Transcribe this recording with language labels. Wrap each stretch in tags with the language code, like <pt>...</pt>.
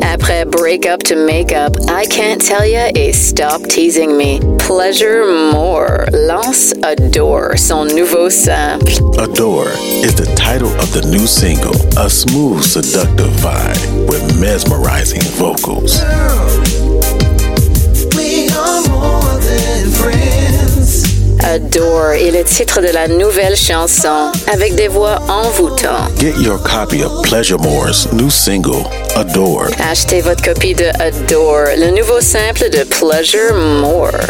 <en>Après breakup to makeup, I can't tell ya et stop teasing me.</en> <fr>Pleasure More lance Adore, son nouveau simple.</fr> <en>Adore is the title of the new single, a smooth, seductive vibe with mesmerizing vocals. Girl, we are more than friends.</en> <fr>Adore est le titre de la nouvelle chanson, avec des voix envoûtantes.</fr> <en>Get your copy of Pleasure More's new single, Adore.</en> <fr>Achetez votre copie de Adore, le nouveau simple de Pleasure More.</fr>